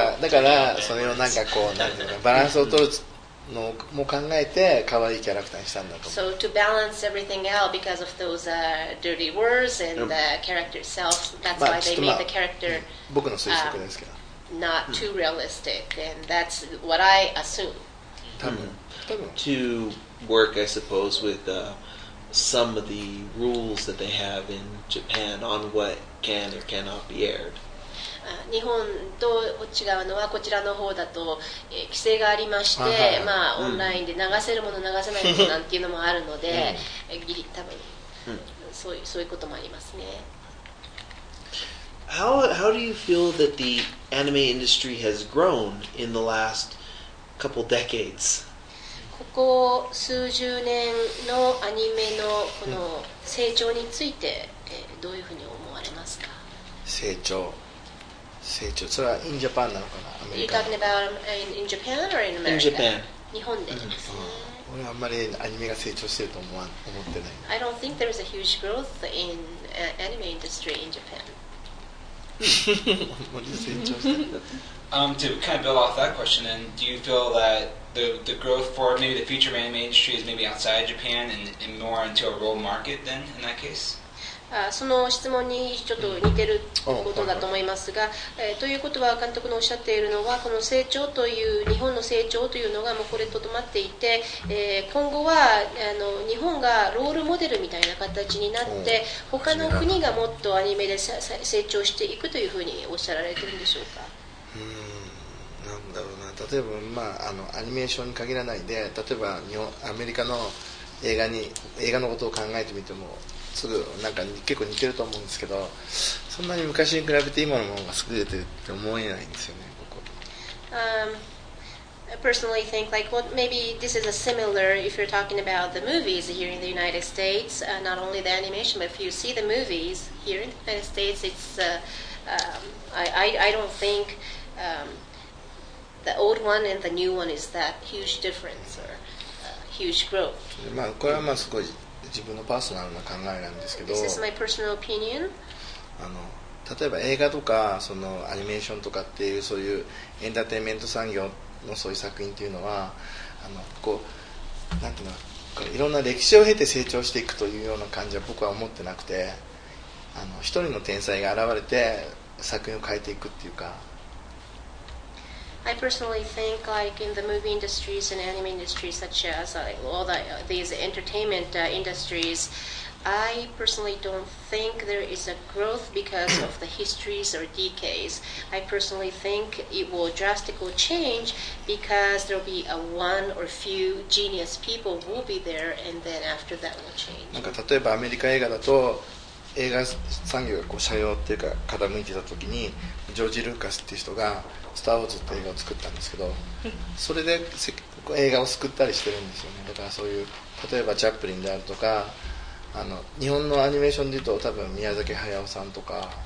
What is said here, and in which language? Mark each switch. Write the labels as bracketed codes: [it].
[ja] だからそれをなんかこうなんていうのバランスを取るのも考えて可愛いキャラクターにしたんだと思う。 [en] So to balance everything out because of those dirty words and the character itself, that's why they made the character [ja] 僕の推測ですけど [en] not too realistic, and that's what I assume. [ja] 多分 [en] to work, I suppose, with some of the rules that they have in Japan on what can or cannot be aired. [ja] 日本と違うのはこちらの方だと、規制がありまして、まあ、オンラインで流せるもの流せないものなんていうのもあるので、ギリ多分そういうこともありますね。 [en] How do you feel that the anime industry has grown in the last couple decades? [ja] ここ数十年のアニメのこの成長についてどういうふうに思われますか？成長それは [en] インジャパン [ja] なのかな、アメリカ。 [en] You're talking about in Japan or in America? In Japan. [ja] 日本で。俺はあんまりアニメが成長してると思ってない。 [en] I don't think there's a huge growth in anime industry in Japan. [ja] もう成長した。 [en] To kind of build off that question, then, do you feel that the growth for maybe the future of anime industry is maybe outside Japan and more into a world market then in that case? [ja] その質問にちょっと似てるってことだと思いますが、ということは監督のおっしゃっているのはこの成長という日本の成長というのがもうこれとどまっていて、今後はあの日本がロールモデルみたいな形になって他の国がもっとアニメで成長していくというふうにおっしゃられてるんでしょうか。なんだろうな、例えば、まあ、あのアニメーションに限らないで例えば日本アメリカの映画に映画のことを考えてみてもすぐなんか結構似てると思うんですけど、そんなに昔に比べて今のものが優れてるって思えないんですよね僕。 [en] I personally think like what maybe this is a similar if you're talking about the movies here in the United States, not only the animation, but if you see the movies here in the United States, it's I don't think the old one and the new one is that huge difference or huge growth. [ja] まあこれはまあすごい自分のパーソナルな考えなんですけど、 [en] This is my personal opinion. [ja] あの例えば映画とかそのアニメーションとかっていうそういうエンターテインメント産業のそういう作品っていうのはあのこうなんていうのこういろんな歴史を経て成長していくというような感じは僕は思ってなくて、あの一人の天才が現れて作品を変えていくっていうか、 [en] I personally think like in the movie industries and anime industries such as all the, these entertainment industries, I personally don't think there is a growth because of the histories or decays. I personally think it will drastically change because there will be a one or few genius people will be there and then after that will change. [ja] なんか例えばアメリカ映画だと映画産業がこう斜陽っていうか傾いてた時にジョージ・ルーカスっていう人がスターウォーズって映画を作ったんですけど、それで映画を救ったりしてるんですよね。だからそういう例えばチャップリンであるとか、あの日本のアニメーションでいうと多分宮崎駿さんとか、あの